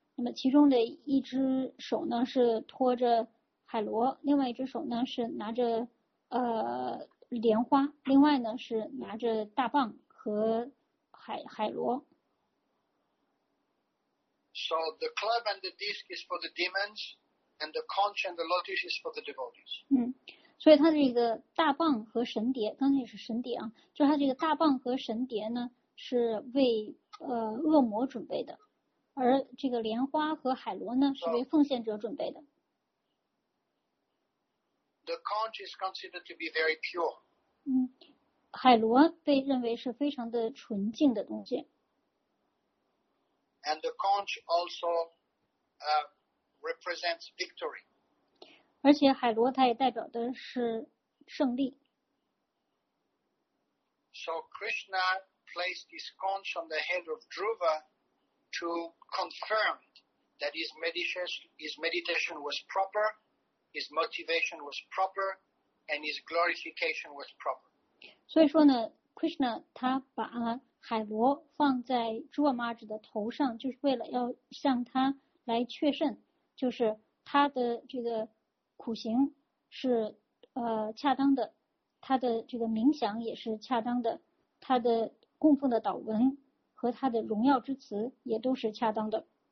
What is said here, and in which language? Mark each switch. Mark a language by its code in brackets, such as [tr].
[zh] 那么其中的一只手呢是托着海螺，另外一只手呢是拿着莲花，另外呢是拿着大棒和海螺。 [en] So the club and the disc is for the demons, and the conch and the lotus is for the devotees. [zh] 所以他这个大棒和神碟，刚才也是神碟啊，就是他这个大棒和神碟呢，是为恶魔准备的，而这个莲花和海螺呢，是为奉献者准备的。 [en] The conch is considered to be very pure. [zh] 海螺被认为是非常的纯净的东西。 [en] And the conch also represents victory. [zh] 而且海螺它也代表的是胜利。 [en] So Krishna placed his conch on the head of Dhruva to confirm that his meditation was proper, his motivation was proper, and his glorification was proper. [zh] 所以说呢 ，Krishna 他把海螺放在朱瓦玛哈什的头上，就是为了要向他来确认，就是他的这个。苦行是恰当的，他的这个冥想也是恰当的，他的供奉的祷文和他的荣耀之词也都是恰当的。